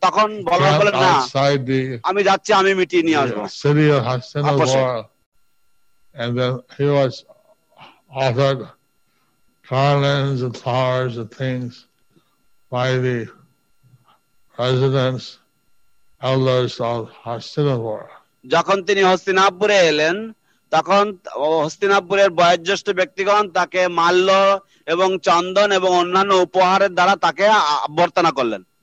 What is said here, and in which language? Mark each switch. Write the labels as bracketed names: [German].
[Bangla] তখন বলরাম বললেন, না, আমি যাচ্ছি, আমি মিটিয়ে নিয়ে আসবো. [English] And then he was offered garlands and flowers and things by the residents, elders of Hastinapura. [Bangla] যখন তিনি হস্তিনাপুরে এলেন তখন হস্তিনাপুরের বয়োজ্যেষ্ঠ ব্যক্তিগণ তাকে মাল্য এবং চন্দন এবং অন্যান্য উপহারের দ্বারা তাকে অভ্যর্থনা করলেন.